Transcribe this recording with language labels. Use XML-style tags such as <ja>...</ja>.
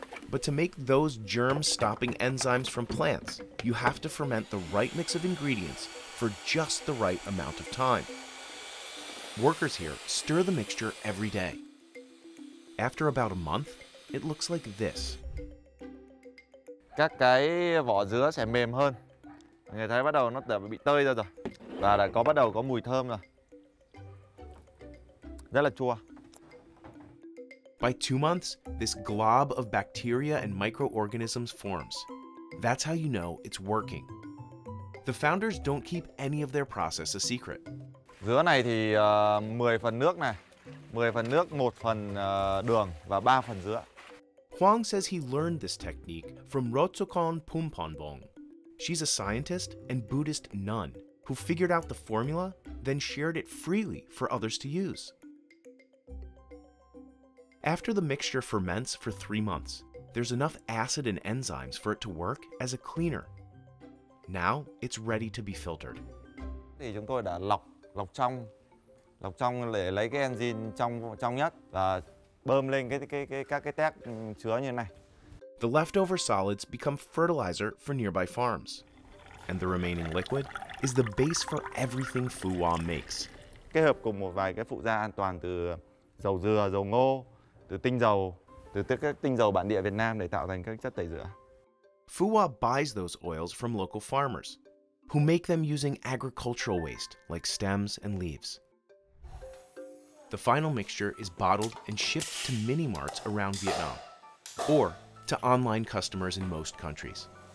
<en>But to make those germ-stopping enzymes from plants, you have to ferment the right mix of ingredients for just the right amount of time. Workers here stir the mixture every day. After about a month, it looks like this.</en> <vi>Các cái vỏ dứa sẽ mềm hơn. Nghe thấy bắt đầu nó đã bị tơi ra rồi. Và đã có bắt đầu có mùi thơm rồi. Rất là chua.</vi> <en>By 2 months, this glob of bacteria and microorganisms forms. That's how you know it's working. The founders don't keep any of their process a secret.</en> <vi>Giữa này thì 10 phần nước này, 10 phần nước, 1 phần đường và 3 phần dứa.</vi> <en>Huang says he learned this technique from Rotsokon Pumponbong. She's a scientist and Buddhist nun who figured out the formula, then shared it freely for others to use. After the mixture ferments for 3 months, there's enough acid and enzymes for it to work as a cleaner. Now it's ready to be filtered.</en> <vi>Thì chúng tôi đã lọc trong để lấy cái enzyme trong nhất và bơm lên các cái tét chứa như này.</vi> <en>The leftover solids become fertilizer for nearby farms, and the remaining liquid is the base for everything Fuwa makes.</en> <vi>Kết hợp cùng một vài cái phụ gia an toàn từ dầu dừa, dầu ngô, từ các tinh dầu bản địa Việt Nam để tạo thành các chất tẩy rửa.</vi> <en>Fuwa buys those oils from local farmers, who make them using agricultural waste like stems and leaves. The final mixture is bottled and shipped to mini marts around Vietnam, or to online customers in most countries.</en>